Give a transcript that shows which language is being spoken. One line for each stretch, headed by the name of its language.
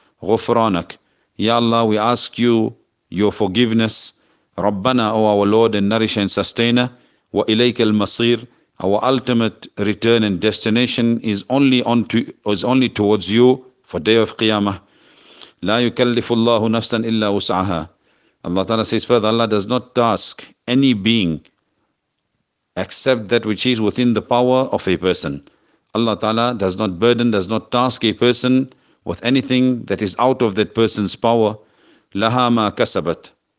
English: Ghufranak, Ya Allah, we ask you your forgiveness. Rabbana, O our Lord and nourisher and sustainer.
Arabic: Wa ilayka al-masir,
English: Our ultimate return and destination is only towards you for day of Qiyamah.
Arabic: لا يكلف الله نفسا إلا وسعها.
English: Allah Ta'ala says further, Allah does not task any being except that which is within the power of a person. Allah Ta'ala does not burden, does not task a person with anything that is out of that person's power.
Arabic: لها ما كسبت.